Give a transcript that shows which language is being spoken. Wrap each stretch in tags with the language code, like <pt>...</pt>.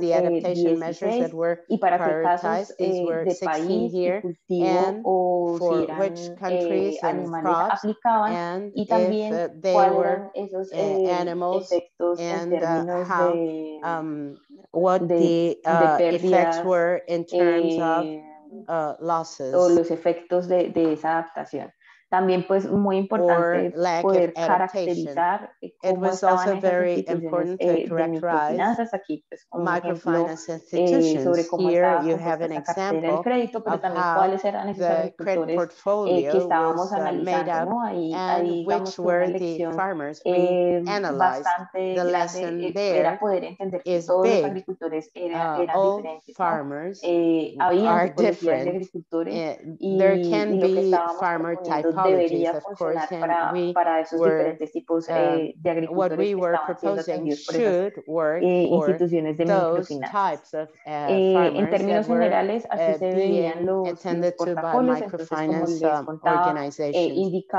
<en>The adaptation measures that were prioritized, these were 16 here, and for which countries and crops, and if they were animals, and how, what the effects were in terms of losses</en> <es>o los efectos de esa adaptación. También pues muy importante poder caracterizar cómo estaban esas microfinanzas aquí, pues como ejemplo, sobre cómo estaba esa cartera del crédito, pero también cuáles eran esos agricultores que estábamos analizando, ¿no? Ahí digamos una lección bastante grande era poder entender que todos los agricultores eran diferentes. Había agricultores y lo que estábamos</es> <en>of course, and we were what we were proposing should work for those types of farmers that were being attended to by microfinance organizations.</en>